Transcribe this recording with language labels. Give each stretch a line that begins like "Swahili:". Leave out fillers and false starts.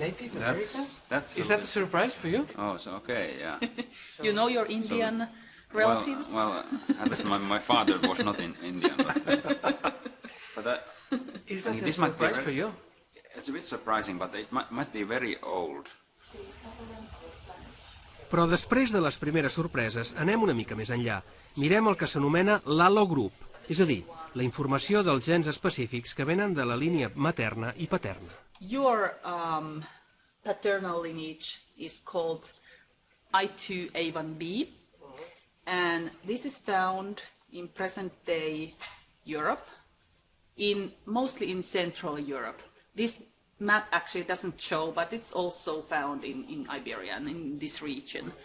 English: Native American? Is that a surprise for you? Oh, so okay, yeah. So, you know your Indian relatives? Well, at least my father was not Indian. Is that a surprise for you? It's a bit surprising, but it might be very old.
Catalan: Però després de les primeres sorpreses, anem una mica més enllà. Mirem el que s'anomena l'alogrup, és a dir, la informació dels gens específics que venen de la línia materna i paterna.
English: Your paternal lineage is called I2A1B, and this is found in present-day Europe, mostly in Central Europe. This map actually doesn't show, but it's also found in Iberia and in this region.